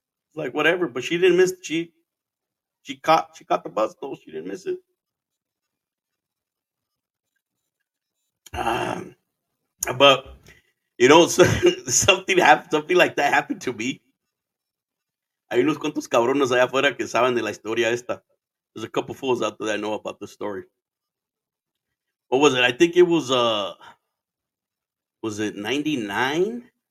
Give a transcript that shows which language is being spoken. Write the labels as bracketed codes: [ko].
[en] It's like, whatever, but she didn't miss the cheat. She caught the bus, though. She didn't miss it. But, you know, something like that happened to me. [es] Hay unos cuantos cabrones allá afuera que saben de la historia esta. [en] There's a couple fools out there that know about the story. What was it? I think it was it 99?